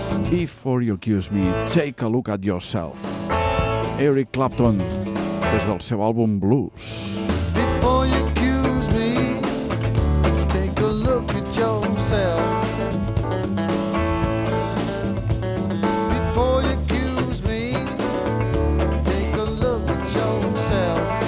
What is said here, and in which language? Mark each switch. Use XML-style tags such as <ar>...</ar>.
<en>Before you accuse me, take a look at yourself.</en> <ca>Eric Clapton, des del seu àlbum Blues.</ca> <en>Before you accuse me, take a look at yourself. Before you accuse me, take a look at yourself.</en>